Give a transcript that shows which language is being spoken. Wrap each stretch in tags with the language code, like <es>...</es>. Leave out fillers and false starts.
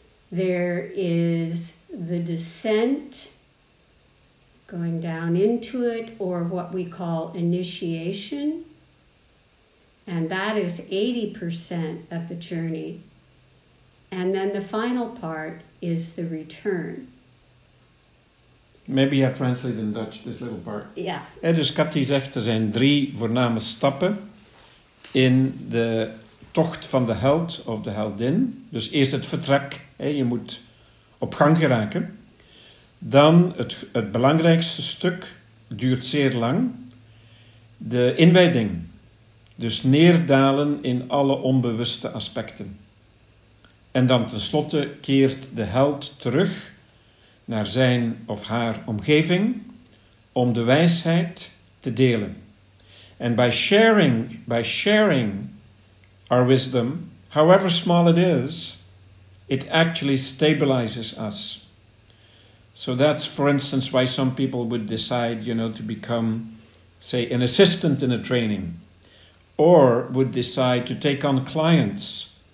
<en>There is the descent, going down into it, or what we call initiation. And that is 80% of the journey. And then the final part is the return. Maybe I translate in Dutch this little part. Yeah.</en> <nl>Dus Cathy zegt, er zijn 3 voorname stappen in de tocht van de held of de heldin. Dus eerst het vertrek, je moet op gang geraken. Dan het belangrijkste stuk duurt zeer lang. De inwijding, dus neerdalen in alle onbewuste aspecten. En dan tenslotte keert de held terug naar zijn of haar omgeving om de wijsheid te delen.</nl> <en>And by sharing our wisdom, however small it is, it actually stabilizes us. So that's, for instance, why some people would decide, you know, to become, say, an assistant in a training, or would decide to take on clients.</en>